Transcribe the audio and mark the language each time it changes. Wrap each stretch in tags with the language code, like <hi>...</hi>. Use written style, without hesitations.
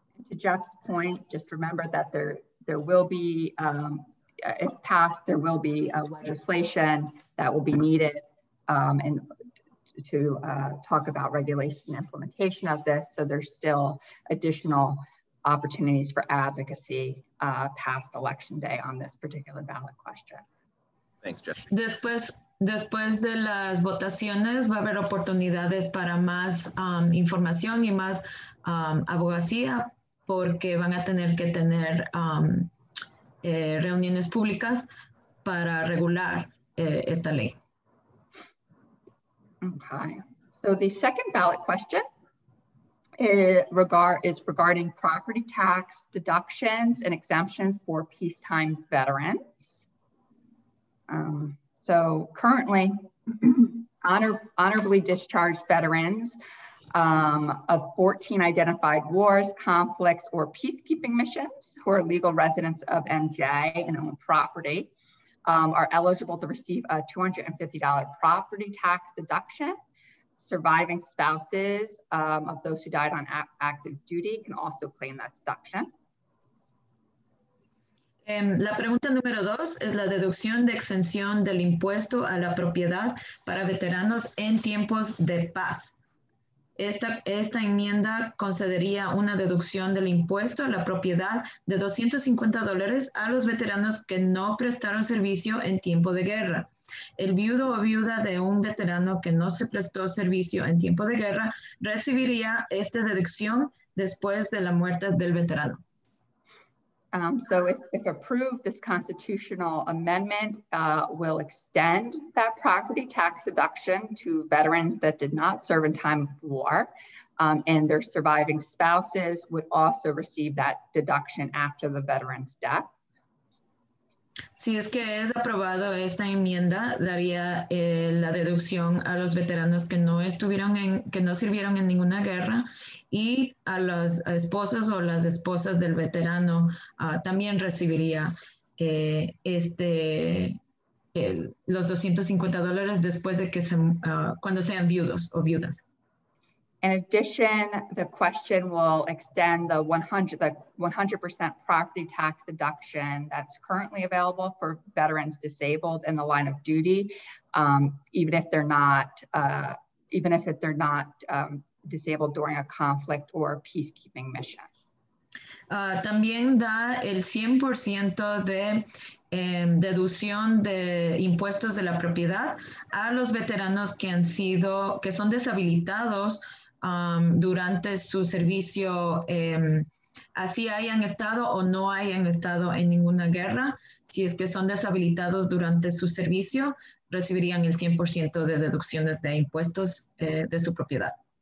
<en>To Jeff's point, just remember that there will be if passed, there will be a legislation that will be needed and to talk about regulation implementation of this. So there's still additional opportunities for advocacy past Election Day on this particular ballot question. Thanks, Jesse.</en> <es>Después de las votaciones, va a haber oportunidades para más información y más abogacía, porque van a tener que tener reuniones públicas para regular esta ley.</es> <en>Okay. So the second ballot question is regarding property tax deductions and exemptions for peacetime veterans. So currently, honorably discharged veterans of 14 identified wars, conflicts, or peacekeeping missions who are legal residents of NJ and own property are eligible to receive a $250 property tax deduction. Surviving spouses of those who died on active duty can also claim that deduction.</en> <es>La pregunta número dos es la deducción de exención del impuesto a la propiedad para veteranos en tiempos de paz. Esta enmienda concedería una deducción del impuesto a la propiedad de $250 a los veteranos que no prestaron servicio en tiempo de guerra. El viudo o viuda de un veterano que no se prestó servicio en tiempo de guerra recibiría esta deducción después de la muerte del veterano.</es> <en>So if approved, this constitutional amendment will extend that property tax deduction to veterans that did not serve in time of war, and their surviving spouses would also receive that deduction after the veteran's death.</en> <es>Si es que es aprobado, esta enmienda daría la deducción a los veteranos que no estuvieron en, que no sirvieron en ninguna guerra, y a los esposos o las esposas del veterano también recibiría los $250 después de que se, cuando sean viudos o viudas.</es> <en>In addition, the question will extend the 100% property tax deduction that's currently available for veterans disabled in the line of duty, even if they're not disabled during a conflict or a peacekeeping mission.</en> <es>También da el 100% de deducción de impuestos de la propiedad a los veteranos que han sido, que son deshabilitados durante su servicio, así hayan estado o no hayan estado en ninguna guerra, si es que son deshabilitados durante su servicio, recibirían el 100% de deducciones de impuestos de su propiedad.</es>